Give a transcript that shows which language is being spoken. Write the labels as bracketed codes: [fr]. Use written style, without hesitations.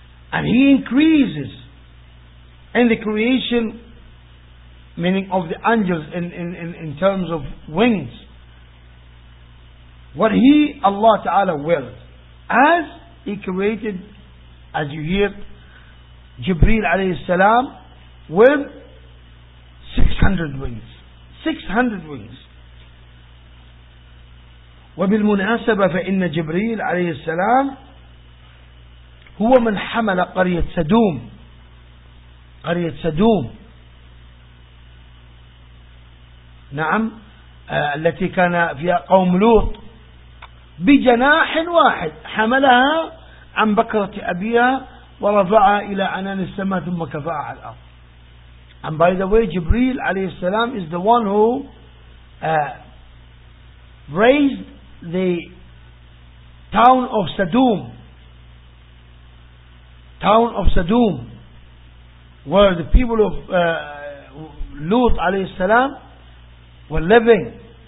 [en] And he increases in the creation, meaning of the angels in terms of wings. What he, Allah Ta'ala, wills. As he created, as you hear, Jibreel alayhi salam with 600 wings. 600 wings. [ar] وبالمناسبة فإن جبريل عليه السلام هو من حمل قرية سدوم. قرية سدوم نعم التي كان فيها قوم لوط بجناح واحد حملها عن بكرة أبيها ورفعها إلى عنان السماء ثم كفأها على الأرض. [en] And by the way, جبريل عليه السلام is the one who raised the town of Sodom. Town of Sodom, where the people of Lut alayhi salam were living.